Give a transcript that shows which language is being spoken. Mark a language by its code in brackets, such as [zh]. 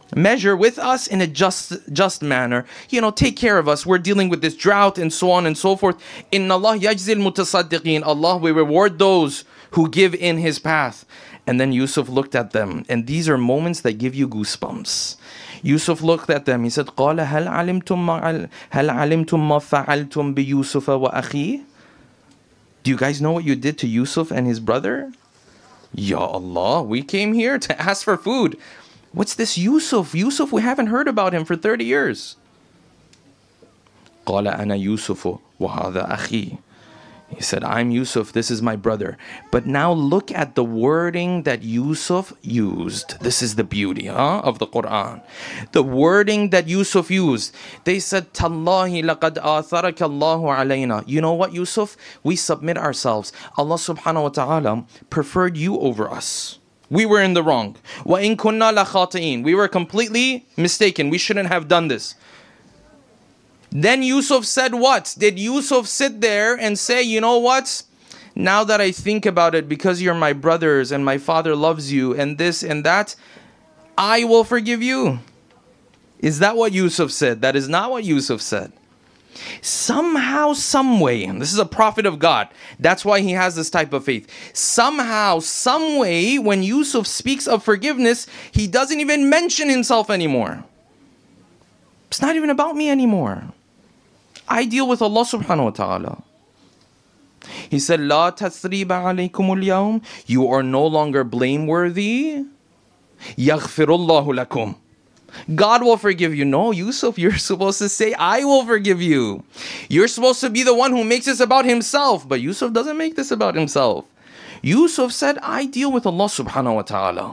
[en] Measure with us in a just manner. You know, take care of us. We're dealing with this drought and so on and so forth. [ar] إِنَّ اللَّهِ يَجْزِي الْمُتَصَدِّقِينَ. [en] Allah will reward those who give in His path. And then Yusuf looked at them. And these are moments that give you goosebumps. Yusuf looked at them. He said, [ar] قَالَ هَلْ عَلِمْتُمْ مَا فَعَلْتُمْ بِيُوسُفَ وَأَخِيهِ. [en] Do you guys know what you did to Yusuf and his brother? Ya Allah, we came here to ask for food. What's this Yusuf? Yusuf, we haven't heard about him for 30 years. [ar] قَالَ أَنَا يُوسُفُ وَهَذَا أَخِي. [en] He said, I'm Yusuf, this is my brother. But now look at the wording that Yusuf used. This is the beauty, huh, of the Quran. The wording that Yusuf used. They said, [ar] تَاللَّهِ لَقَدْ آثَرَكَ اللَّهُ عَلَيْنَا. [en] You know what, Yusuf? We submit ourselves. Allah subhanahu wa ta'ala preferred you over us. We were in the wrong. [ar] وَإِن كُنَّا لَخَاطِئِينَ. [en] We were completely mistaken. We shouldn't have done this. Then Yusuf said what? Did Yusuf sit there and say, you know what? Now that I think about it, because you're my brothers and my father loves you and this and that, I will forgive you. Is that what Yusuf said? That is not what Yusuf said. Somehow, some way, and this is a prophet of God, that's why he has this type of faith. Somehow, some way, when Yusuf speaks of forgiveness, he doesn't even mention himself anymore. It's not even about me anymore. I deal with Allah subhanahu wa ta'ala. He said, [ar] لا تثريب عليكم اليوم. [en] You are no longer blameworthy. [ar] يغفر الله لكم. [en] God will forgive you. No, Yusuf, you're supposed to say, I will forgive you. You're supposed to be the one who makes this about himself. But Yusuf doesn't make this about himself. Yusuf said, I deal with Allah subhanahu wa ta'ala.